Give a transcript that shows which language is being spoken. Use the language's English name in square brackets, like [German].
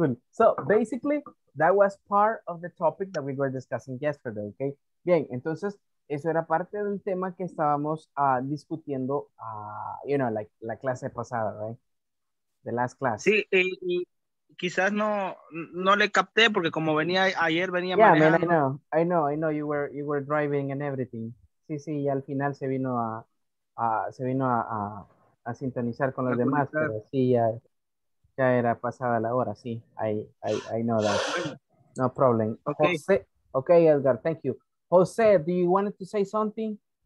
[English] So basically, that was part of the topic that we were discussing yesterday, okay? [Spanish] Bien, entonces, eso era parte del tema que estábamos discutiendo, la clase pasada, right? [English] The last class. [Spanish] Sí, y quizás no le capté porque como venía yeah, manejando. [English] Yeah, I know, you were driving and everything. [Spanish] Sí, sí, y al final se vino a sintonizar con los demás, pero sí, ya. Ya era pasada la hora, sí. [English] I know that. No problem. Okay. Okay, Edgar, thank you. Jose, do you want to say something?